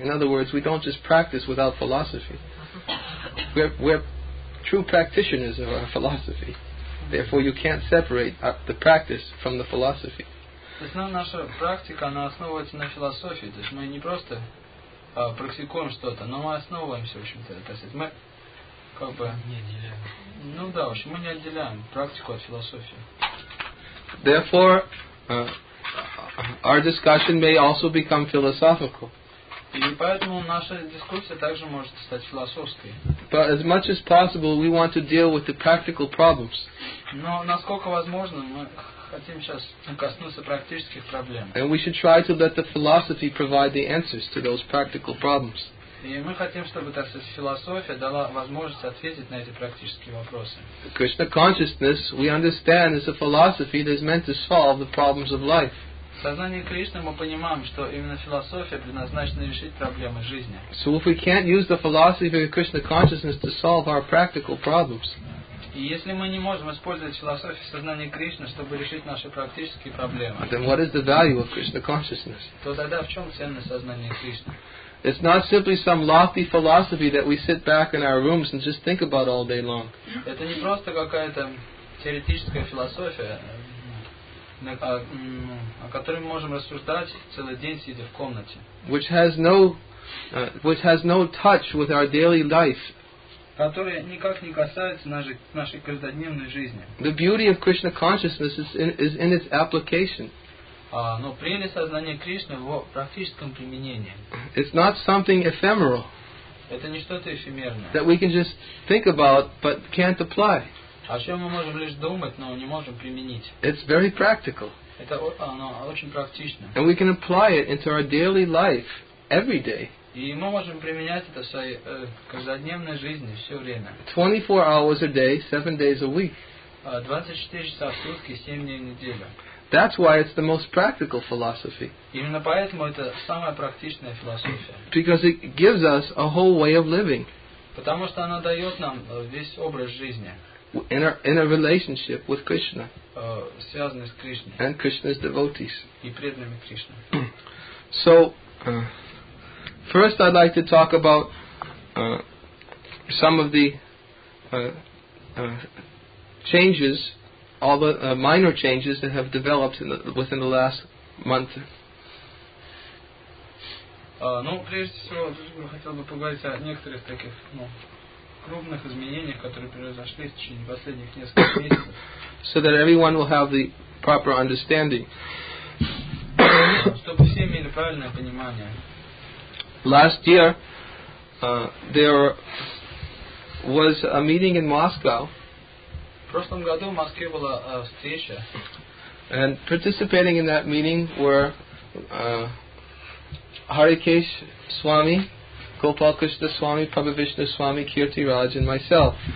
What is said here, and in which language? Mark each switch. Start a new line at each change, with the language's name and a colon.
English: In other words, we don't just practice without philosophy. We're true practitioners of our philosophy. Therefore, you can't separate the practice from the philosophy.
Russian: Наша практика, она основывается на философии. То есть мы не просто практикуем что-то, но мы основываемся, в общем-то. То есть мы как бы не отделяем. Ну да, в общем, мы не отделяем практику от философии.
English: Therefore, our discussion may also become philosophical.
Russian: И поэтому наша дискуссия также может стать философской.
English: But as much as possible, we want to deal with the practical problems.
Russian: Но насколько возможно, мы хотим сейчас коснуться практических проблем.
English: And we should try to let the philosophy provide the answers to those practical problems.
Russian: И мы хотим, чтобы так сказать, философия дала возможность ответить на эти практические вопросы.
English: Krishna consciousness, we understand, is a philosophy that is meant to solve the problems of life.
Russian: Сознание Кришны мы понимаем, что именно философия предназначена решить проблемы жизни.
English: So if we can't use the philosophy of Krishna consciousness to solve our practical problems.
Russian: И если мы не можем использовать философию сознания Кришны, чтобы решить наши практические проблемы.
English: Then what is the value of Krishna consciousness?
Russian: То тогда в чем ценность сознания Кришны?
English: It's not simply some lofty philosophy that we sit back in our rooms and just think about all day long.
Russian: Это не просто какая-то теоретическая философия, о которой мы можем рассуждать целый день, сидя в комнате.
English: Which has no touch with our daily life.
Russian: Которая никак не касается нашей каждодневной жизни.
English: The beauty of Krishna consciousness is in its application.
Russian: Но прелесть сознания Кришны в его практическом применении.
English: It's not something ephemeral.
Russian: Это не что-то эфемерное.
English: That we can just think about but can't apply.
Russian: О чем мы можем лишь думать, но не можем применить.
English: It's very practical.
Russian: Это оно очень практично.
English: And we can apply it into our daily life every day.
Russian: И мы можем применять это в своей каждодневной жизни все время.
English: 24 hours a day, 7 days a week.
Russian: 24 часа в сутки, 7 дней в неделю.
English: That's why it's the most practical philosophy.
Russian: Именно поэтому это самая практичная философия.
English: Because it gives us a whole way of living.
Russian: Потому что она дает нам весь образ жизни.
English: In a relationship with Krishna.
Russian: связанные с Кришной.
English: And Krishna's devotees.
Russian: И преданными Кришне.
English: So, first I'd like to talk about some of the changes, all the minor changes that have developed in the, within the last month.
Russian: Ну, прежде всего, я хотел бы поговорить о некоторых таких, ну, крупных изменениях, которые произошли в течение последних нескольких месяцев.
English: So that everyone will have the proper understanding.
Russian: Чтобы все имели правильное понимание.
English: Last year, there was a meeting in Moscow.
Russian: В прошлом году в Москве была встреча.
English: And participating in that meeting were Harikesh Swami, Gopal Krishna Swami, Prabhu Vishnu Swami, Kirti Raj, and myself.